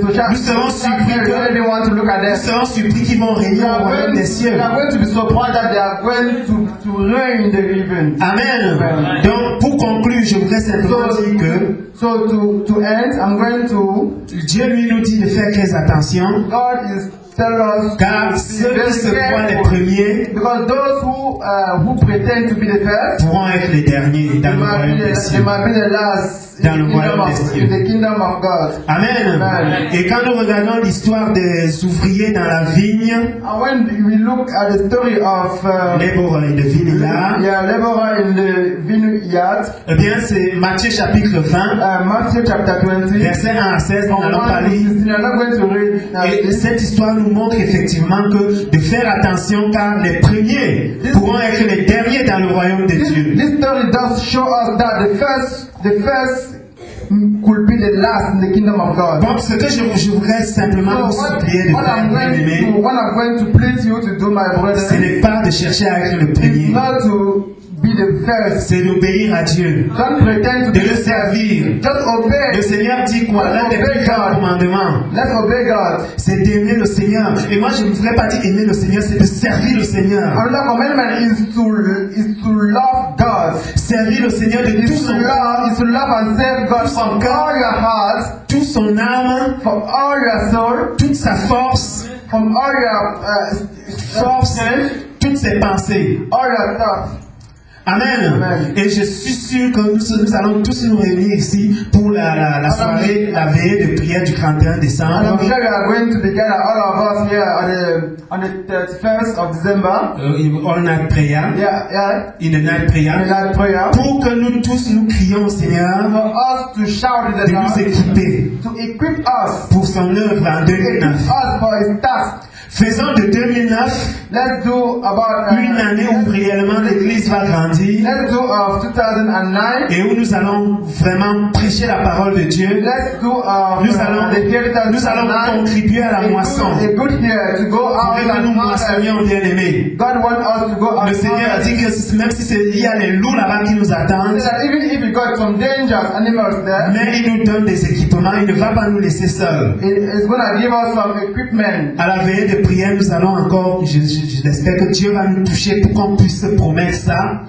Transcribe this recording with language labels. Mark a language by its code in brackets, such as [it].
[fr] Nous serons surpris qu'ils vont régner au royaume des cieux. [en] They are going to be surprised that they are going to reign in the heavens. Amen. [fr] Donc, pour conclure, je voudrais simplement dire que. [en] So to end, I'm going to. [fr] Dieu lui nous dit de faire très attention. [en] God is telling us. [fr] Car ceux qui se croient les premiers. [en] Because those who pretend to be the first. [fr] Pourront être les derniers dans le royaume des cieux. [en] They might be the last. [fr] Dans le royaume des cieux. [en] The kingdom of God. Amen. Amen. [fr] Et quand nous regardons l'histoire des ouvriers dans la vigne, [en] and when we look at the story of laborer in the vineyard, yeah, laborer in the vineyard. [fr] Eh bien, c'est Matthieu chapitre 20, Matthieu chapitre 20, verset 1 à 16. Nous allons pas lire. [en] We are not going to read. [fr] Et cette histoire nous montre effectivement que de faire attention car les premiers pourront être les derniers dans le royaume de Dieu. [en] This story does show us that the first could be the last in the kingdom of God. [fr] Donc, ce que je voudrais simplement vous supplier de faire, [en] what I'm going to please you to do, my brother, [fr] ce n'est pas de chercher à être le premier. [en] Not to be the first. [fr] C'est d'obéir à Dieu. [en] Don't pretend to [fr] de le servir. [en] Just obey. [fr] Le Seigneur dit quoi? L'un des plus grands commandements. [en] Let's obey God. [fr] C'est d'aimer le Seigneur. Et moi, je ne voudrais pas dire aimer le Seigneur, c'est de servir le Seigneur. [en] Another commandment is to love God. [fr] Servir le Seigneur de tout son cœur. [en] Is to love and serve God from all your heart. [fr] Tout son âme. [en] From all your soul. [fr] Toute sa force. [en] From all your [fr] forces. Toutes ses pensées. [en] All your thoughts. Amen. Amen. [fr] Et je suis sûr que nous allons tous nous réunir ici pour la soirée, la veillée de prière du 31 décembre. [en] And I'm sure we are going to be gathered, all of us here on the 31st of December. All-night prayer. Yeah, yeah. In the night prayer. In the night prayer. [fr] Pour que nous tous nous crions au Seigneur. [en] For us to shout [fr] de nous équiper. [en] To equip us. [fr] Pour son œuvre en 2009. [en] Us for his task. [fr] Faisons de 2009 [en] let's do about, [fr] une année où réellement l'Église va grandir [en] let's do of 2009, [fr] et où nous allons vraiment prêcher la parole de Dieu. [en] Let's do of, [fr] nous allons contribuer à la moisson. Nous moissonnions, bien-aimés. [en] God want us to go out. [fr] Le Seigneur a dit que même si il y a les loups là-bas qui nous attendent, [en] even if we got some dangerous animals there, [fr] mais il nous donne des équipements, il ne va pas nous laisser seuls. [en] It's gonna give us some equipment. [fr] À la veille de prière, nous allons encore, j'espère que Dieu va nous toucher pour qu'on puisse se promettre ça